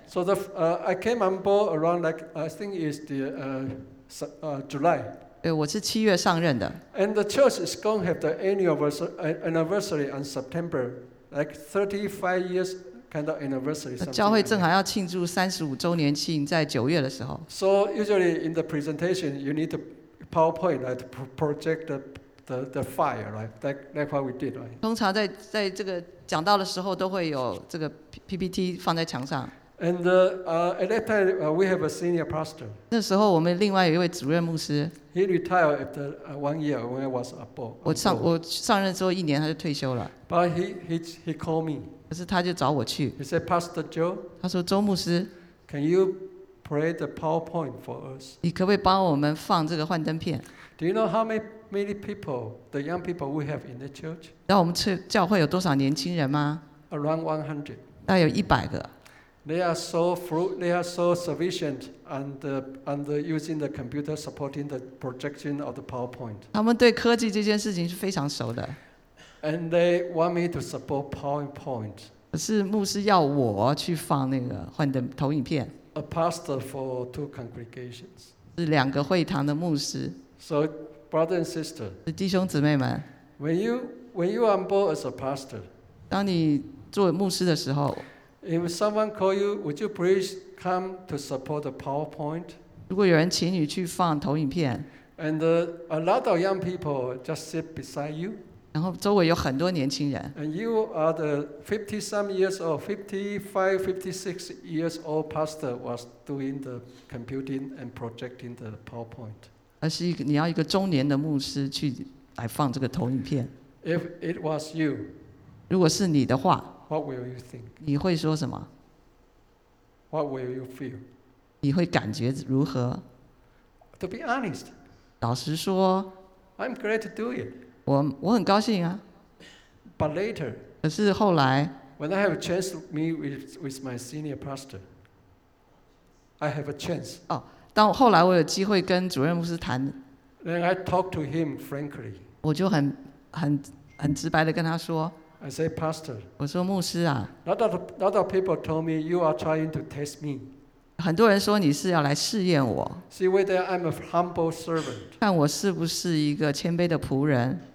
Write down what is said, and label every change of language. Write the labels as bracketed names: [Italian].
[English] So the I came on board around like I think is the July. [Chinese] 对，我是七月上任的。 [English] And the church is going to have the anniversary on September, like 35 years. Kind of anniversary, something [Chinese] 教会正好要庆祝35周年庆，在九月的时候。 [English] So usually in the presentation, you need to PowerPoint, right? Project the fire, right? That's what we did, right? [Chinese] 通常在这个讲到的时候，都会有这个 PPT 放在墙上。 [English] And at that time, we have a senior pastor. [Chinese] 那时候我们另外有一位主任牧师。 [English] He retired after one year when I was aboard. [Chinese] 我上任之后一年，他就退休了。 [English] But he called me. [Chinese] 可是他就找我去。 [English] He said, Pastor Joe. [Chinese] 他说周牧师 [English] ，Can you play the PowerPoint for us? [Chinese] 你可不可以帮我们放这个幻灯片 [English] ？Do you know how many people, the young people we have in the church? [Chinese] 那我们教会有多少年轻人吗 [English] ？Around 100. [Chinese] 大概有100个。 [English] They are so fruit. They are so sufficient and using the computer supporting the projection of the PowerPoint. [Chinese] 他们对科技这件事情是非常熟的。 [English] And they want me to support PowerPoint. [Chinese] 可是牧师要我去放那个幻灯投影片。 [English] A pastor for two congregations. [Chinese] 是两个会堂的牧师。 [English] So, brother and sister. [Chinese] 是弟兄姊妹们。 [English] When you are on board as a pastor. [Chinese] 当你做牧师的时候。 [English] If someone call you, would you please come to support the PowerPoint? [Chinese] 如果有人请你去放投影片。 [English] And a lot of young people just sit beside you. [Chinese] 然后周围有很多年轻人。 [English] And you are the 50-some years old, 55, 56 years old pastor was doing the computing and projecting the PowerPoint. [Chinese] 而是一个你要一个中年的牧师去来放这个投影片。 [English] If it was you, [Chinese] 如果是你的话 [English] ，What will you think? [Chinese] 你会说什么 [English] ？What will you feel? [Chinese] 你会感觉如何 [English] ？To be honest, [Chinese] 老实说 [English] ，I'm glad to do it. [Chinese] 我很高兴啊。 [English] But later, [Chinese] 可是后来 [English] ，When I have a chance to meet with my senior pastor, I have a chance. [Chinese] 哦，当后来我有机会跟主任牧师谈 [English] ，Then I talk to him frankly. [Chinese] 我就很直白的跟他说 [English] ，I say, Pastor. [Chinese] 我说牧师啊 [English] ，Lot of people told me you are trying to test me. [Chinese] 很多人说你是要来试验我。 [English] See whether I'm a humble servant. [Chinese] 看我是不是一个谦卑的仆人。